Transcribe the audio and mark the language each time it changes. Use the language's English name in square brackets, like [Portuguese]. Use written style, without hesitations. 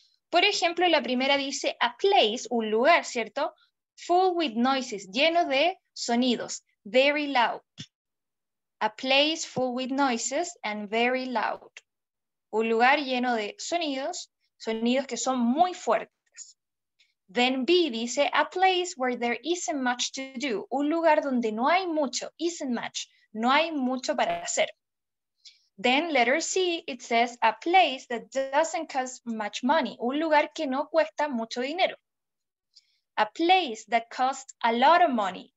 [Spanish] Por ejemplo, la primera dice a place, un lugar, ¿cierto? [English] Full with noises, [Spanish] lleno de sonidos. [English] Very loud. A place full with noises and very loud. [Spanish] Un lugar lleno de sonidos, sonidos que son muy fuertes. [English] Then B dice, a place where there isn't much to do. [Spanish] Un lugar donde no hay mucho, [English] isn't much. [Spanish] No hay mucho para hacer. [English] Then letter C, it says, a place that doesn't cost much money. [Spanish] Un lugar que no cuesta mucho dinero. [English] A place that costs a lot of money.